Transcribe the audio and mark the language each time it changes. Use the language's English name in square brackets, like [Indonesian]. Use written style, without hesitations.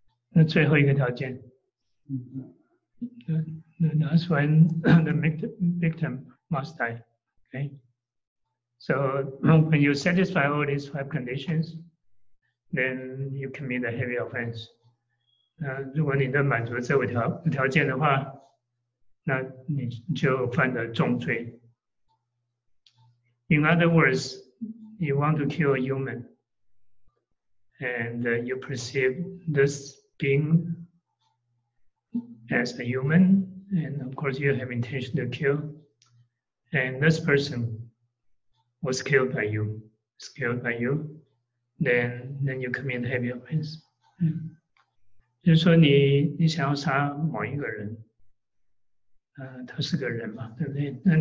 [Chinese] 那最后一个条件, [English] the last one, the victim must die. Okay. So when you satisfy all these five conditions, then you commit a heavy offense. [Chinese] 如果你能满足这五条件的话, 那你就犯了重罪. [English] In other words, you want to kill a human, and you perceive this being as a human, and of course you have intention to kill, and this person was killed by you, then you commit heavy offense. [Chinese] 就是说你想要杀某一个人, 他是个人嘛, 对不对?